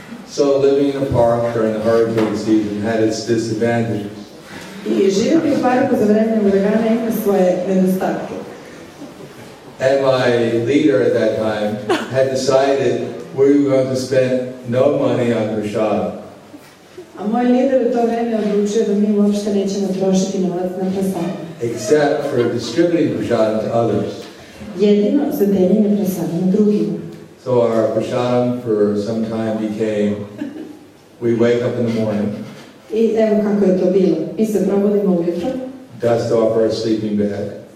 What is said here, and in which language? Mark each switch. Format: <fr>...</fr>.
<en>So living in a park during the hurricane season had its disadvantages.</en> <sr>I živjeti u parku za vreme uragana ima svoje nedostatke.</sr> <en>And my leader at that time had decided we were going to spend no money on prasadam.</en> <sr>A moj lider u to vreme odlučio da mi uopšte nećemo trošiti novac na prasadam.</sr> <en>Except for distributing prasadam to others.</en> <sr>Jedino za deljenje prasadam drugima.</sr> <en>So our prasadam for some time became, we wake up in the morning.</en> <sr>I evo kako je to bilo. Mi se probudimo ujutro.</sr> <en>Dust off our sleeping bag.</en>